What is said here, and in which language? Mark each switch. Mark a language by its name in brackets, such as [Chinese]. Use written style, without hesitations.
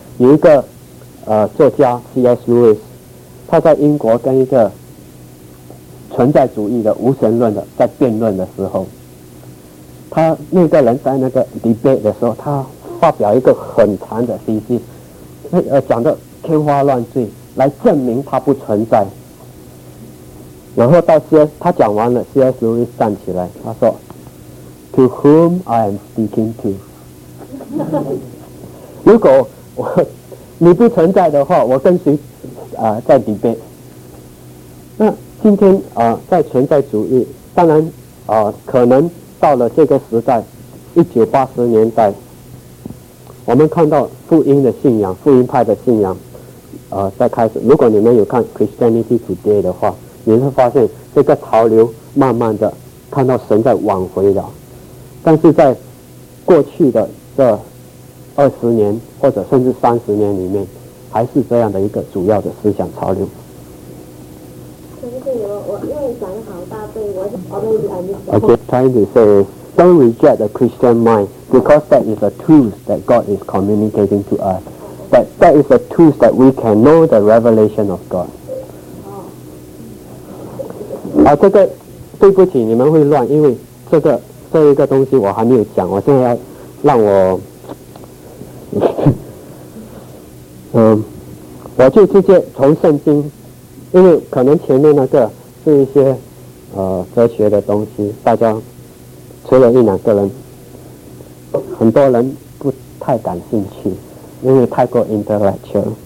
[Chinese] 有一个作家 C.S. Lewis， 他在英国跟一个存在主义的无神论的在辩论的时候，他那个人在那个 debate 的时候，他发表一个很长的 thesis， 讲的天花乱坠，来证明他不存在。然后他讲完了 ，C.S. [English] Lewis [Chinese] 站起来，他说 [English] ：“To whom I am speaking to？” [Chinese] 如果你不存在的话，我跟谁在 debate？那今天在存在主义，当然可能到了这个时代，1980年代，我们看到福音的信仰、福音派的信仰在开始。如果你们有看 Christianity Today 的话，你会发现这个潮流慢慢的看到神在挽回了。但是在过去的这20年或者甚至30年里面，还是这样的一个主要的思想潮流。我想好大队，我们 [English] OK， trying to say don't reject the Christian mind， because that is a tool that God is communicating to us. That is a tool that we can know the revelation of God. [Chinese] 这个对不起你们会乱，因为这个东西我还没有讲，我现在要让我我就直接从圣经，因为可能前面那个是一些哲学的东西，大家除了一两个人，很多人不太感兴趣，因为太过 intellectual。